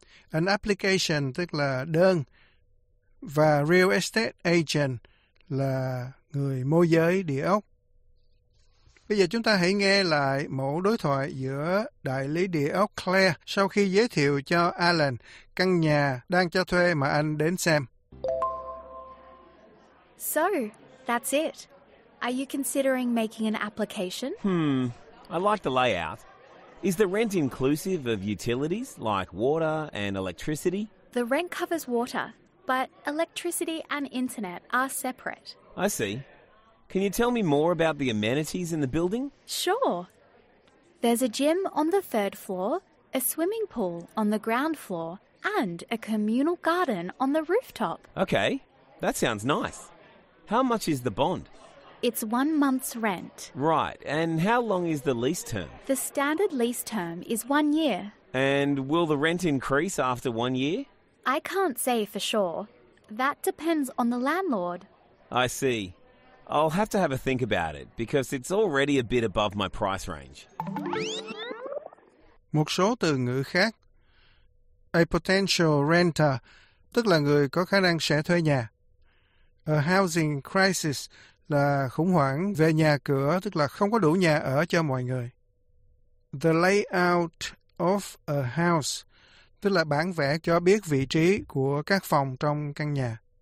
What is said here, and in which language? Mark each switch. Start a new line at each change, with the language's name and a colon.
English: An application,
Vietnamese: tức là đơn. Và
English: real estate agent
Vietnamese: là người môi giới địa ốc. Bây giờ chúng ta hãy nghe lại mẫu đối thoại giữa đại lý địa ốc Claire sau khi giới thiệu cho Alan căn nhà đang cho thuê mà anh đến xem.
English: So, that's it. Are you considering making an application? I like the layout. Is the rent inclusive of utilities like water and electricity? The rent covers water, but electricity and internet are separate. I see. Can you tell me more about the amenities in the building? Sure. There's a gym on the third floor, a swimming pool on the ground floor, and a communal garden on the rooftop. Okay, That sounds nice. How much is the bond? It's 1 month's rent. Right. And how long is the lease term? The standard lease term is 1 year. And will the rent increase after 1 year? I can't say for sure. That depends on the landlord. I see. I'll have to have a think about it because it's already a bit above my price range.
Vietnamese: Một số từ ngữ khác.
English: A potential renter,
Vietnamese: tức là người có khả năng sẽ thuê nhà.
English: A housing crisis
Vietnamese: là khủng hoảng về nhà cửa, tức là không có đủ nhà ở cho mọi người.
English: The layout of a house,
Vietnamese: tức là bản vẽ cho biết vị trí của các phòng trong căn nhà.